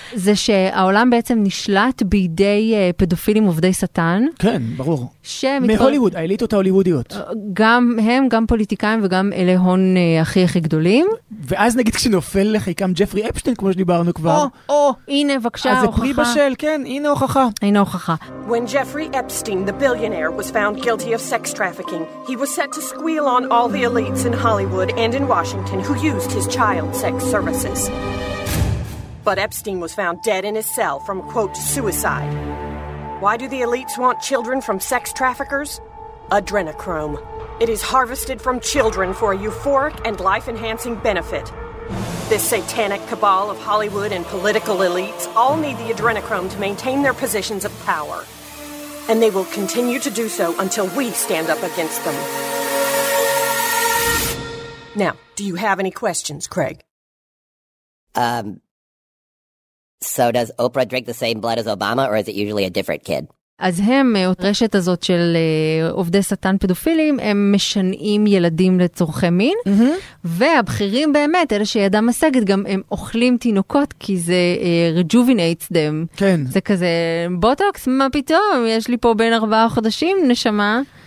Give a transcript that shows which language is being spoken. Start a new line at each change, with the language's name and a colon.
Hebrew: זה שהעולם בעצם נשלט בידי פדופילים עובדי שטן. כן, ברור. מהוליווד, האליטות ההוליוודיות. גם הם, גם פוליטיקאים וגם אלה הון הכי הכי גדולים. ואז נגיד כשנופל לחיקם ג'פרי אפשטיין, כמו שדיברנו כבר. הנה, בבקשה, הוכחה. אז זה פרי בשל, כן, הנה הוכחה. הנה הוכחה.
English: When Jeffrey Epstein, the billionaire, was found guilty of sex trafficking, he was set to squeal on all the elites in Hollywood and in Washington who used his child sex services. But Epstein was found dead in his cell from, quote, suicide. Why do the elites want children from sex traffickers? Adrenochrome. It is harvested from children for a euphoric and life-enhancing benefit. This satanic cabal of Hollywood and political elites all need the adrenochrome to maintain their positions of power. and they will continue to do so until we stand up against them. Now, do you have any questions, Craig? So does Oprah drink the same blood as Obama, or is it usually a different kid?
Hebrew: אז הם, את רשת הזאת של עובדי שטן פדופילים, הם משנעים ילדים לצורכי מין, והבחירים באמת, אלה שידם משגת, גם הם אוכלים תינוקות, כי זה
English: rejuvenates them.
Hebrew: כן. זה כזה, בוטוקס, מה פתאום? יש לי פה בין 4 חודשים, נשמה.